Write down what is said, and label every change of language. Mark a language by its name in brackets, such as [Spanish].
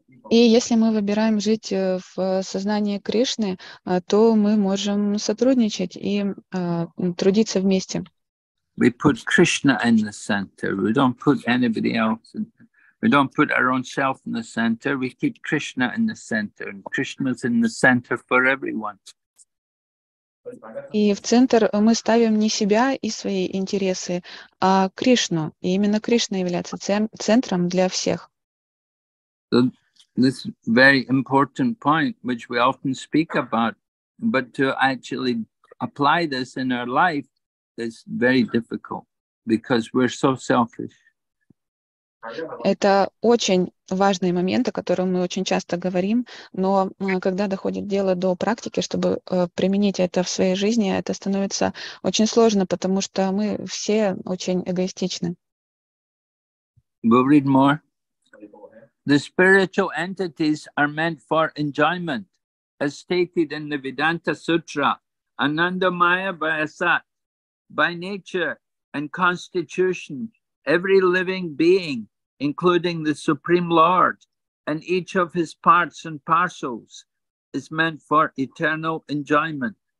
[Russian] И если мы выбираем жить в сознании Кришны, то мы можем сотрудничать и трудиться вместе. [English] We put Krishna in the center. We don't put anybody else. We don't put our own self in the center. We keep Krishna in the center. And Krishna's in the center for everyone. [Russian] И в центр мы ставим не себя и свои интересы, а Кришну. И именно Кришна является центром для всех. [English] So this very important point, which we often speak about, but to actually apply this in our life is very difficult because we're so selfish. [Russian] Это очень важный момент, о котором мы очень часто говорим, но когда доходит дело до практики, чтобы применить это в своей жизни, это становится очень сложно, потому что мы все очень эгоистичны. [English] We'll read more. The spiritual entities are meant for enjoyment, as stated in the Vedanta Sutra, Anandamaya Vyasat. By nature, and constitution, every living being, including the Supreme Lord, and each of his parts and parcels, is meant for eternal enjoyment.